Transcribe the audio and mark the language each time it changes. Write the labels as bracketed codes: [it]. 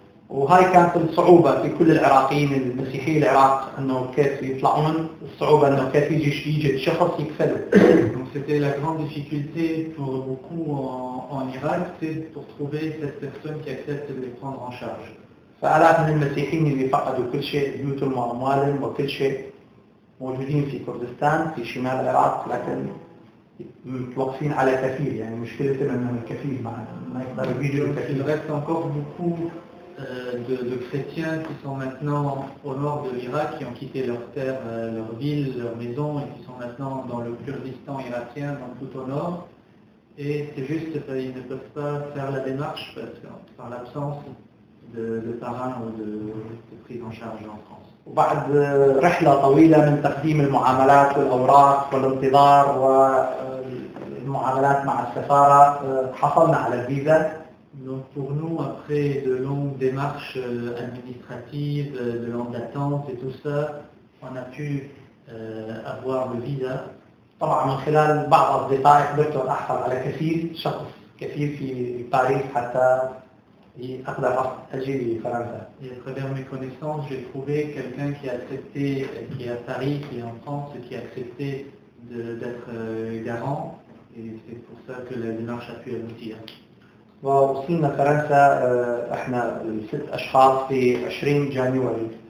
[ar] وهاي كانت الصعوبة في كل العراقيين المسيحي العراق انه كيف يطلعون الصعوبة انه كيف يجي شخص يكفله. [fr] Donc c'était la grande difficulté pour beaucoup en Irak, c'est pour trouver cette personne qui accepte de les prendre en charge. [ar] فالاف من المسيحيين اللي فقدوا كل شيء بيوتهم واموالهم وكل شيء موجودين في كردستان في شمال العراق لكن متوقفين على كفيل يعني مشكلتهم انه الكفيل ما يقدر يجي الكفيل. [fr] Reste encore beaucoup de chrétiens qui sont maintenant au nord de l'Irak, qui ont quitté leur terre, leur ville, leur maison et qui sont maintenant dans le Kurdistan irakien, donc tout au nord. Et c'est juste qu'ils ne peuvent pas faire la démarche parce que, par l'absence de parrains ou de prise en charge en France. [ar] بعد رحلة طويلة من تقديم المعاملات والأوراق والانتظار والمعاملات مع السفارة حصلنا على الفيزا. [fr] Donc pour nous, après de longues démarches administratives, de longues attentes et tout ça, on a pu avoir le visa. [ar] طبعا من خلال بعض الدقائق قدرت احصل على كفيل شخص كفيل في باريس حتى اقدر اجي لفرنسا. [fr] Et à travers mes connaissances, j'ai trouvé quelqu'un qui a accepté, qui est à Paris, qui est en France, qui a accepté d'être garant. Et c'est pour ça que la démarche a pu aboutir. [ar] ووصلنا فرنسا احنا ست اشخاص في 20 جانوري.